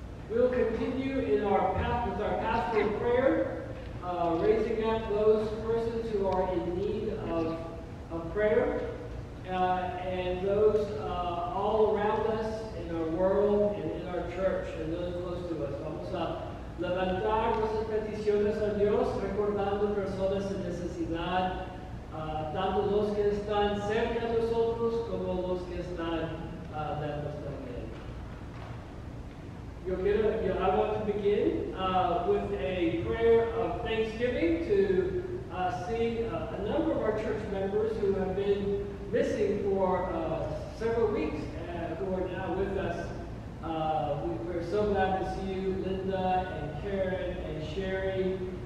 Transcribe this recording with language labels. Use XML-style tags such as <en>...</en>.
<en>We'll continue in our path with our pastoral prayer, raising up those persons who are in need of prayer, and those all around us in our world and in our church and those close to us.</en> <es>Vamos a levantar nuestras peticiones a Dios, recordando personas en necesidad. Tanto los que están cerca de nosotros como los que están lejos también.</es> <en>I want to begin with a prayer of thanksgiving to see a number of our church members who have been missing for several weeks who are now with us. We're so glad to see you, Linda and Karen and Sherry.</en>